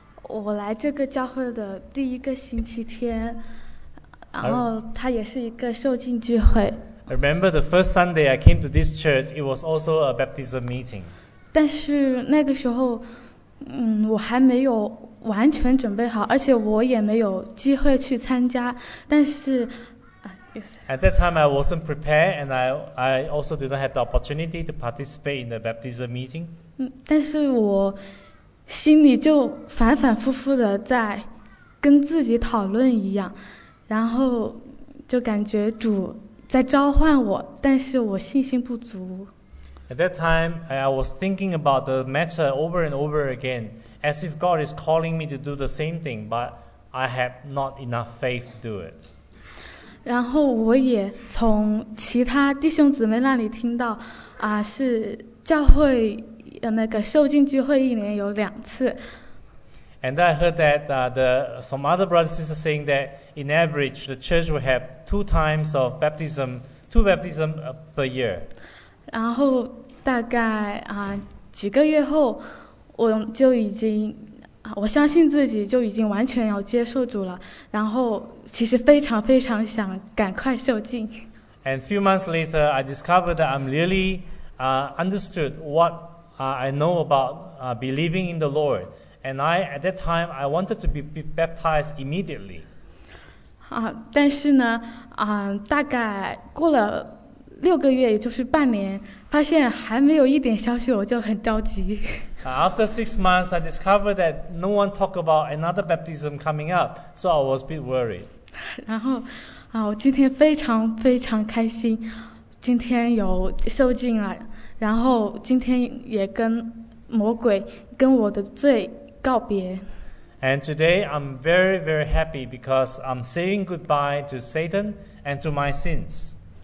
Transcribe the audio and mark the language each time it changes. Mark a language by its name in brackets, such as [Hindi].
[Chinese] 我来这个教会的第一个星期天，然后它也是一个受浸聚会。 [English] I remember the first Sunday I came to this church, it was also a baptism meeting. [Chinese] 但是那个时候，我还没有完全准备好，而且我也没有机会去参加。但是 [English] At that time I wasn't prepared, and I also didn't have the opportunity to participate in the baptism meeting. [Chinese] 但是我心里就反反复复的在跟自己讨论一样，然后就感觉主在召唤我，但是我信心不足。 [English] At that time, I was thinking about the matter over and over again, as if God is calling me to do the same thing, but I have not enough faith to do it. [Chinese] 然后我也从其他弟兄姊妹那里听到，是教会那个受浸聚会一年有两次。 [English] And I heard that from other brothers and sisters saying that in average the church will have two baptisms per year. [Chinese] 然后大概几个月后，我就已经我相信自己就已经完全要接受主了。然后其实非常非常想赶快受浸。 [English] And few months later, I discovered that I'm really understood what I know about believing in the Lord. And I, at that time, I wanted to be baptized immediately. [Chinese] 但是呢，大概过了六个月，也就是半年，发现还没有一点消息，我就很着急。 [English] After 6 months, I discovered that no one talked about another baptism coming up, so I was a bit worried. [Chinese] 然后，我今天非常非常开心，今天有受浸了，然后今天也跟魔鬼，跟我的罪告别。 [English] And today I'm very, very happy because I'm saying goodbye to Satan and to my sins.